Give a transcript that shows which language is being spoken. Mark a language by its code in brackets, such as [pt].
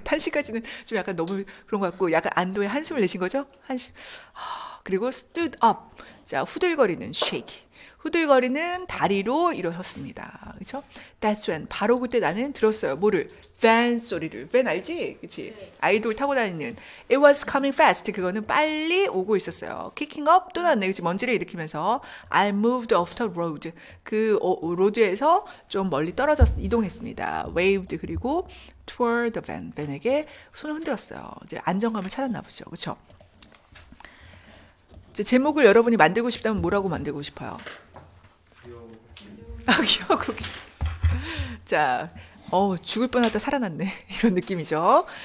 [ko] 탄식까지는 좀 약간 너무 그런 것 같고, 약간 안도의 한숨을 내신 거죠? 한숨. 그리고 [en] stood up. [ko] 자, 후들거리는 shake. 후들거리는 다리로 일어섰습니다. 그렇죠? [en] That's when [ko] 바로 그때 나는 들었어요. 뭐를? Van 소리를. Van 알지? 그렇지? 아이돌 타고 다니는. [en] It was coming fast. [ko] 그거는 빨리 오고 있었어요. [en] Kicking up [ko] 또 났네. 그렇지? 먼지를 일으키면서 [en] I moved off the road. [ko] 로드에서 좀 멀리 떨어졌 이동했습니다. Waved 그리고 toward the van. Van에게 손을 흔들었어요. 이제 안정감을 찾았나 보죠. 그렇죠? 제목을 여러분이 만들고 싶다면 뭐라고 만들고 싶어요? 아, 귀여워. 자, 죽을 뻔하다 살아났네. 이런 느낌이죠.